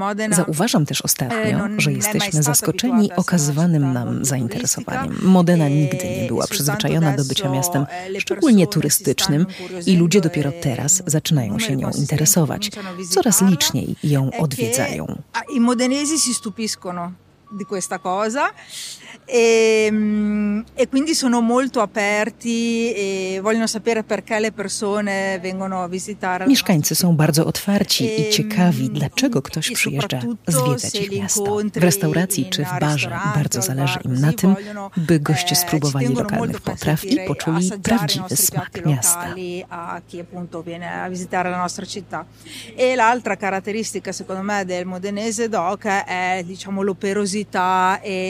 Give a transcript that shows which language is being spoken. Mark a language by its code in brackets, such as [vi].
[pl] Zauważam też ostatnio, że jesteśmy zaskoczeni okazywanym nam zainteresowaniem. Modena nigdy nie była przyzwyczajona do bycia miastem szczególnie turystycznym i ludzie dopiero teraz zaczynają się nią interesować. Coraz liczniej ją odwiedzają. [it] I modenesi si stupiscono di questa cosa e quindi sono molto aperti e vogliono sapere perché le persone vengono a visitare. [pl] Mieszkańcy są bardzo otwarci i ciekawi, dlaczego ktoś przyjeżdża zwiedzać ich miasto. W restauracji czy w barze bardzo zależy im na tym, by goście spróbowali lokalnych potraw i poczuli prawdziwy smak miasta. [it] A chi appunto viene a visitare la nostra città. E l'altra caratteristica secondo me del modenese doc è diciamo l'operosità.